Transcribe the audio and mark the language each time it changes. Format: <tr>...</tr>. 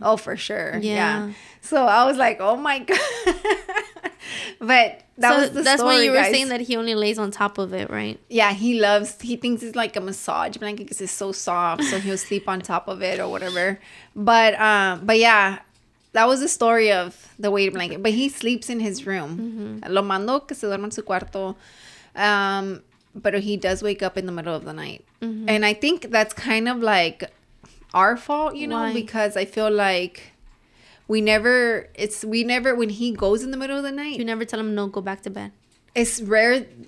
<en>Oh, for sure. Yeah. So I was like, oh my God. But that's the story, when you were saying that he only lays on top of it, right? Yeah, he thinks it's like a massage blanket because it's so soft. So he'll sleep on top of it or whatever. But yeah. That was the story of the weighted blanket. But he sleeps in his room.</en> <es>Lo mando que se duerma en su cuarto.</es> <en>But he does wake up in the middle of the night. Mm-hmm. And I think that's kind of like our fault, you know? Why? Because I feel like we never, when he goes in the middle of the night. You never tell him, no, go back to bed. It's rare.</en>